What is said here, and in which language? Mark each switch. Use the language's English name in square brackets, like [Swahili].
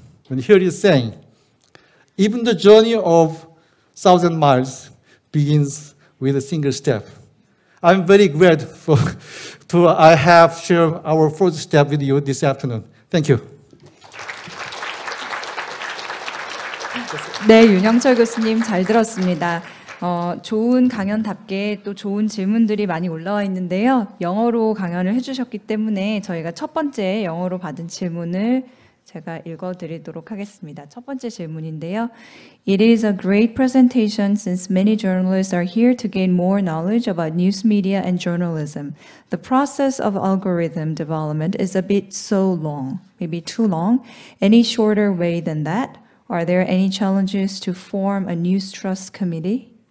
[English] And here he's saying, even the journey of 1,000 miles begins with a single step. I'm very glad I have shared our first step with you this afternoon. Thank you. [Korean] 네, 윤영철 교수님 잘 들었습니다. 좋은 강연답게 또 좋은 질문들이 많이 올라와 있는데요. 영어로 강연을 해주셨기 때문에 저희가 첫 번째 영어로 받은 질문을 제가 읽어드리도록 하겠습니다. 첫 번째 질문인데요. [English] It is a great presentation since many journalists are here to gain more knowledge about news media and journalism. The process of algorithm development is a bit so long, maybe too long. Any shorter way than that? Are there any challenges to form a news trust committee?